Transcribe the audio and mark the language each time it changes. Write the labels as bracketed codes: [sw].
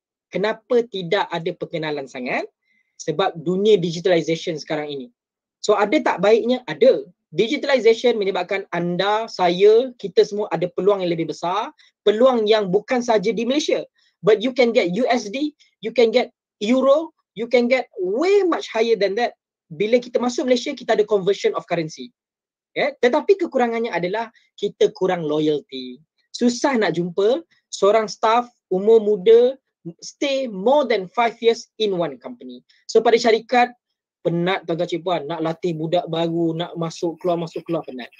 [ms] Kenapa tidak ada perkenalan sangat? Sebab dunia digitalization sekarang ini. So, ada tak baiknya? Ada. Digitalization menyebabkan anda, saya, kita semua ada peluang yang lebih besar. Peluang yang bukan sahaja di Malaysia. [en] But you can get USD, you can get Euro, you can get way much higher than that. [ms] Bila kita masuk Malaysia, kita ada [en] conversion of currency. [ms] Yeah? Tetapi kekurangannya adalah kita kurang loyalty. Susah nak jumpa seorang staff umur muda [en] stay more than 5 years in one company. [ms] So pada syarikat, penat tuan-tuan cikguan nak latih budak baru, nak masuk keluar penat.